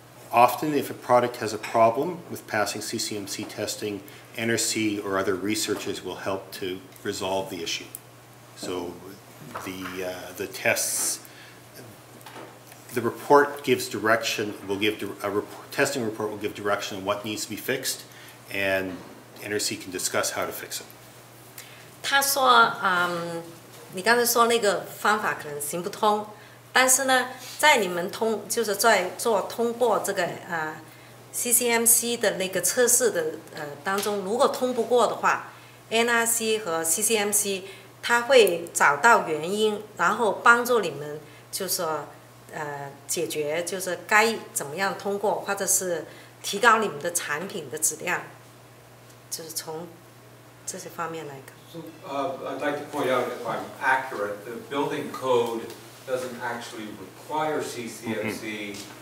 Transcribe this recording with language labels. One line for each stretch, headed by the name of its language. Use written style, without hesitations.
English: Often if a product has a problem with passing CCMC testingNRC or other researchers will help to resolve the issue. So the tests, the report gives direction, will give testing report will give direction on what needs to be fixed, and NRC can discuss how to fix it.
Chinese: 他说，你刚才说那个方法可能行不通，但是呢，在你们通，就是在做通过这个 CCMC 的那个测试的当中，如果通不过的话 ，NRC 和 CCMC 它会找到原因，然后帮助你们，就是说解决，就是该怎么样通过，或者是提高你们的产品的质量，就是从这些方面来看。
English: So, I'd like to point out if I'm accurate, the building code doesn't actually require CCMC.